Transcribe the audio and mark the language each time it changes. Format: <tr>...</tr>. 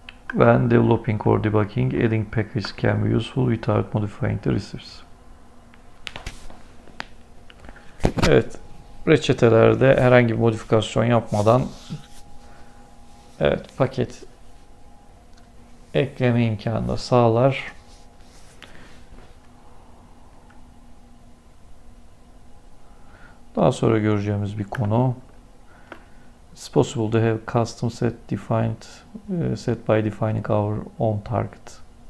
<en>When developing or debugging, adding packages can be useful without modifying the receives.</en> <tr>Evet. Reçetelerde herhangi bir modifikasyon yapmadan evet paket ekleme imkanı da sağlar. Daha sonra göreceğimiz bir konu.</tr> <en>It's possible to have custom set defined set by defining our own target.</en>